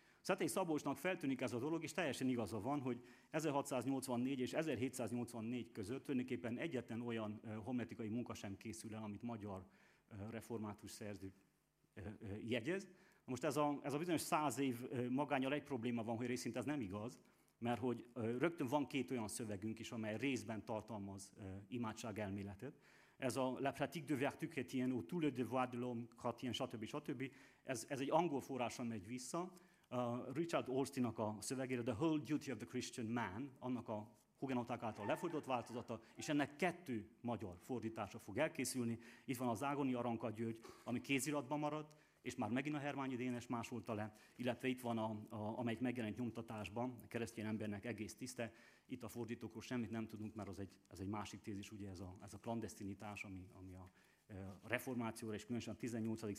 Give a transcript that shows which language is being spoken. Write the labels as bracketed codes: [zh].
[hu] Szetei Szabolcsnak feltűnik ez a dolog, és teljesen igaza van, hogy 1684 és 1784 között tulajdonképpen egyetlen olyan homiletikai munka sem készül el, amit magyar református szerző jegyez. Most ez a bizonyos 100 év magánnyal egy probléma van, hogy részint ez nem igaz, Mert hogy rögtön van két olyan szövegünk is, amely részben tartalmaz imádság elméletet. Ez a [fr] La pratique de vertukétien, ou tout le devoir de l'homme, chrétien, stb. [hu] Stb. Ez egy angol forrásra megy vissza, Richard Orstinak a szövegére, [en] The whole duty of the Christian man, [hu] annak a hugenoták által lefordított változata, és ennek kettő magyar fordítása fog elkészülni. Itt van az Ágoni Aranka György, ami kéziratban maradt, és már megint a Hermányi Dénes másolta le, illetve itt van, amelyik megjelent nyomtatásban, a keresztény embernek egész tiszte, itt a fordítókról semmit nem tudunk, mert ez egy másik tézis, ugye ez a klandesztinitás, ami a reformációra, és különösen a 18.